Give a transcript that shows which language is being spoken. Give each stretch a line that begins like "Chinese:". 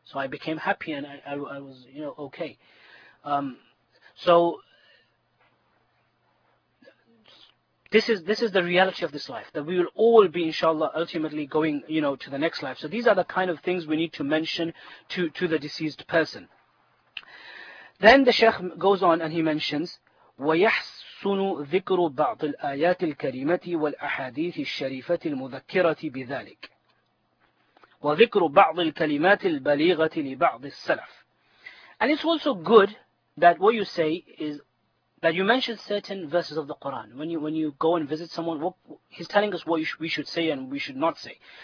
English: So I became happy and I was, you know, okay. So this is the reality of this life, that we will all be, inshallah, ultimately going, you know, to the next life. So these are the kind of things we need to mention to the deceased person. Then the Sheikh goes on and he mentions,
Arabic: وَيَحْسُنُ ذِكْرُ بَعْضِ الْآيَاتِ الْكَرِيمَةِ وَالْأَحَادِيثِ الشَّرِيفَةِ الْمُذَكِّرَةِ بِذَلِكِ وَذِكْرُ بَعْضِ الْكَلِمَاتِ الْبَلِيغَةِ لِبَعْضِ السَّلَفِ.
English: And it's also good that what you say is that you mention certain verses of the Quran. When you go and visit someone, he's telling us what we should say and we should not say.